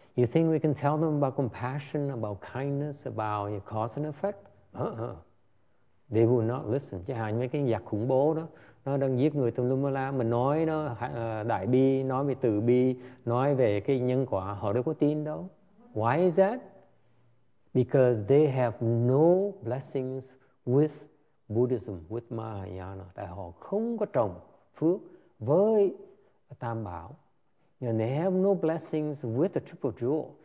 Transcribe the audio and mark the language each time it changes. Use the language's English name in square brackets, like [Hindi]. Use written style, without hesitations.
[English] You think we can tell them about compassion, about kindness, about your cause and effect? They will not listen. [Vietnamese] Chứ hả, mấy cái giặc khủng bố đó, nó đang giết người tùm lum la, mà nói nó đại bi, nói về từ bi, nói về cái nhân quả, họ đâu có tin đâu. [English] Why is that? Because they have no blessings with Buddhism, with Mahayana. [Vietnamese] Tại họ không có trồng phước với Tam Bảo. [English] And they have no blessings with the Triple Jewel.